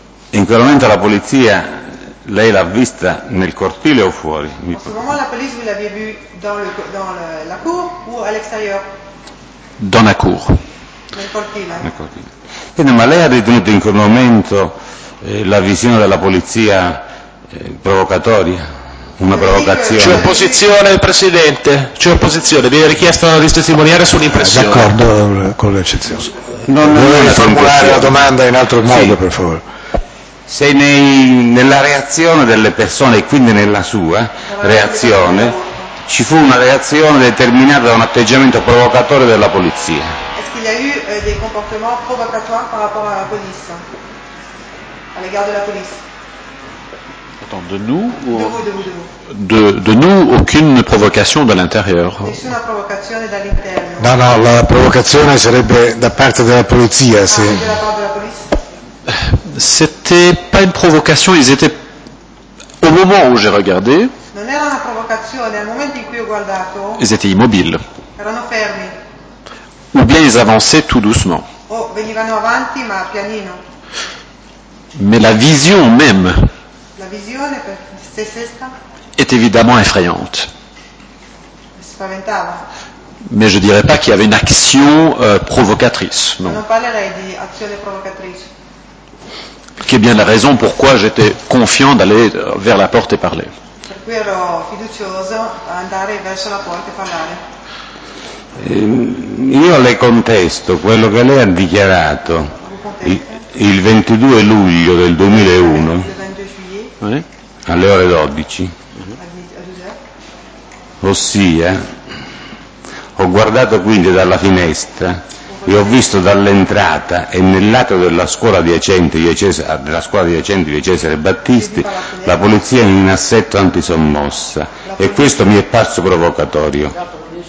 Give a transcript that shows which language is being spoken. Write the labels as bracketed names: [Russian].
[Italian] In quel momento la polizia lei l'ha vista nel cortile o fuori? In quel momento la polizia [French] vous l'avez vu dans la cour ou à l'extérieur? Dans la cour. [Italian] Nel cortile. Quindi, ma lei ha ritenuto in quel momento la visione della polizia provocatoria? Una provocazione. C'è opposizione, Presidente. C'è opposizione. Viene richiesto di testimoniare sull'impressione. D'accordo con l'eccezione. Non formulare la domanda in altro modo, sì. Per favore. Se nella reazione delle persone, e quindi nella sua reazione, ci fu una reazione determinata da un atteggiamento provocatore della polizia. [French] Est-ce qu'il y a eu des comportements provocatoires par rapport à la police? À l'égard de la police? Attends, de nous ou... De vous. De nous, aucune provocation de l'intérieur. [Italian] Nessuna provocazione dall'interno. No, la provocazione sarebbe da parte della polizia, sì. Se... Della parte della polizia? [French] C'était pas une provocation, ils étaient au moment où j'ai regardé. [Italian] Non era una provocazione, al momento in cui ho guardato. [French] Ils étaient immobiles. [Italian] Erano fermi. [French] Ou bien ils avançaient tout doucement. [Italian] Oh, venivano avanti, ma pianino. [French] Mais la vision même. [Italian] La visione se stessa [French] est évidemment effrayante. [Italian] Spaventava. [French] Mais je ne dirais pas qu'il y avait une action provocatrice. [Italian] Non. Non parlerei di azione provocatrice. [French] Qui est bien la raison pourquoi j'étais confiant d'aller vers la porte et parler. [Italian] Per cui ero fiducioso ad andare verso la porta e parlare. Io le contesto quello che lei ha dichiarato il 22 luglio del 2001. Alle ore 12, ossia ho guardato quindi dalla finestra e ho visto dall'entrata e nel lato della scuola adiacente di Cesare Battisti la polizia in assetto antisommossa e questo mi è parso provocatorio.